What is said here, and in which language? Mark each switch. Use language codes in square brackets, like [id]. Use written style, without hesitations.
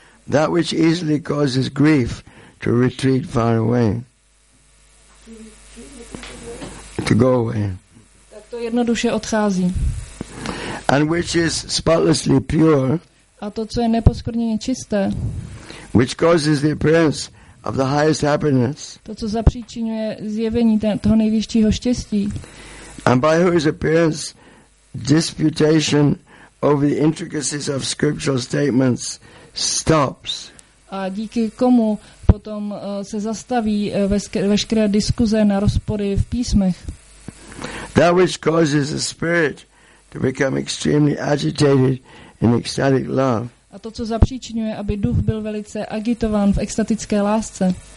[en] That which easily causes grief to retreat far away. To go away. [cs] Tak to jednoduše odchází. [en] And which is spotlessly pure. [cs] A to, co je neposkvrněně čisté. [en] Which causes the appearance of the highest happiness. [cs] To, co zapříčinuje zjevení toho nejvyššího štěstí. [en] And by whose appearance disputation over the intricacies of scriptural statements stops. [cs] A díky komu potom se zastaví veškeré diskuze na rozpory v písmech. [en] That which causes the spirit to become extremely agitated in ecstatic love. [cs] A to, co zapříčinuje, aby duch byl velice agitován v extatické lásce.